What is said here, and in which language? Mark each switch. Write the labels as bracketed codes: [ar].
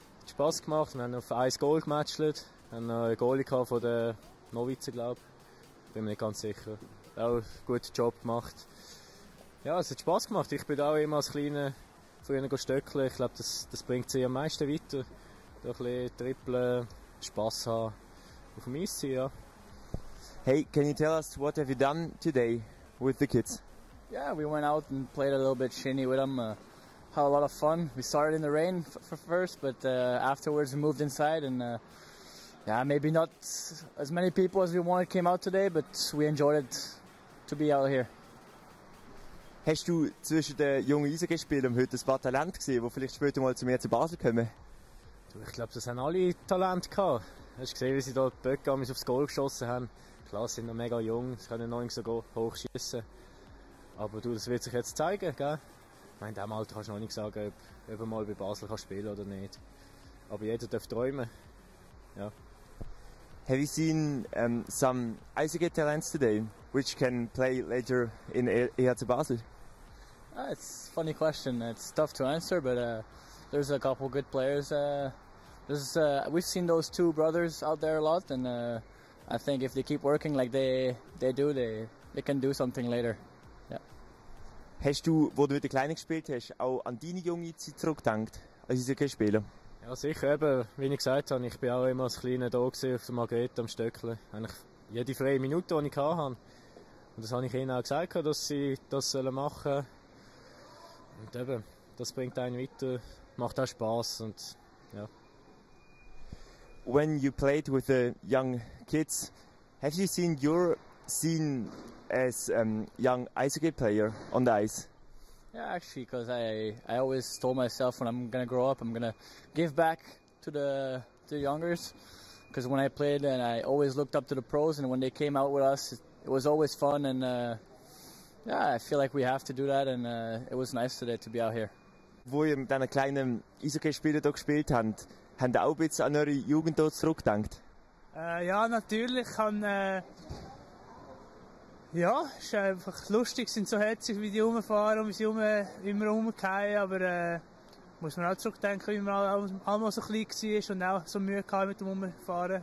[de] Spass gemacht, wir haben auf ein Goal gematchelt, wir haben einen Goalie von den Novizen, glaube ich. Bin mir nicht ganz sicher. Auch einen guten Job gemacht. Ja, es hat Spass gemacht. Ich bin auch immer als Kleiner früher stöckeln. Ich glaube, das bringt sie am meisten weiter. Da ein bisschen trippeln, Spass haben. Auf dem Eis ziehen, ja. [en] Hey, can you tell us what have you done today with the kids? Yeah, we went out and played a little bit shinny with them. Had a lot of fun. We started in the rain for first, but afterwards we moved inside and yeah, maybe not as many people as we wanted came out today, but we enjoyed it to be out here. [de] Hast du zwischen den jungen Eishockey-Spielern heute ein paar Talente gesehen, die vielleicht später mal zu mir zu Basel kommen? Du, ich glaube, das haben alle Talente gehabt. Hast du gesehen, wie sie da die Böcke aufs Goal geschossen haben? Klar, sie sind noch mega jung, sie können noch nicht so hoch schiessen. Aber du, das wird sich jetzt zeigen, gell? Ich meine, in diesem Alter kannst du noch nicht sagen, ob man mal bei Basel spielen kann oder nicht. Aber jeder darf träumen. Ja. [en] Have you seen some Eishockey talents today, which can play later in ERC Basel? It's a funny question. It's tough to answer, but there's a couple good players. We've seen those two brothers out there a lot, and I think if they keep working like they do, they can do something later. [de] Hast du, wo du mit den Kleinen gespielt hast, auch an deine junge Zeit zurückgedacht, als Eishockey-Spieler? Ja, sicher. Eben, wie ich gesagt habe, ich bin auch immer als Kleiner da gewesen, auf der Margarete am Stöckeln. Eigentlich jede freie Minute, die ich hatte. Und das habe ich ihnen auch gesagt, dass sie das machen sollen. Und eben, das bringt einen weiter, macht auch Spass und ja. [en] When you played with the young kids, have you seen your scene as a young Eishockey player on the ice? Yeah, actually, because I always told myself when I'm gonna grow up, I'm gonna give back to the youngers. Because when I played, and I always looked up to the pros, and when they came out with us, it was always fun. And yeah, I feel like we have to do that, and it was nice today to be out here. [de] Wo ihr mit einer kleinen Eishockey-Spieler hier gespielt habt, habt ihr auch ein bisschen an eure Jugend hier zurückgedacht? Ja, natürlich. Ja, es ist einfach lustig, sind so herzig, wie die rumfahren und wie sie immer rumgehen. Aber muss man auch zurückdenken, wie man einmal so klein war und auch so Mühe hatte mit dem Rumfahren.